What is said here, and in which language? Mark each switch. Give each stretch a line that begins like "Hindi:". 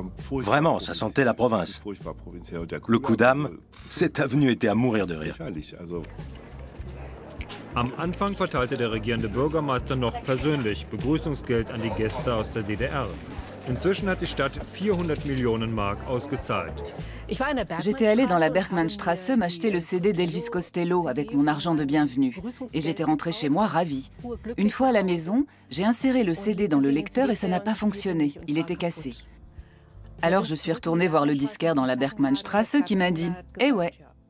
French: Vraiment, ça sentait la province. Le coup d'âme, cette avenue était à mourir de rire.
German: Am Anfang verteilte der regierende Bürgermeister noch persönlich Begrüßungsgeld an die Gäste aus der DDR. Inzwischen hat die Stadt 400 Millionen Mark ausgezahlt.
French: J'étais allé dans la Bergmannstrasse m'acheter le CD d'Elvis Costello avec mon argent de bienvenue. Et j'étais rentré chez moi ravi. Une fois à la maison, j'ai inséré le CD dans le lecteur et ça n'a pas fonctionné. Il était cassé. Alors je suis retourné voir le disquaire dans la Bergmannstrasse qui m'a dit « Eh ouais !»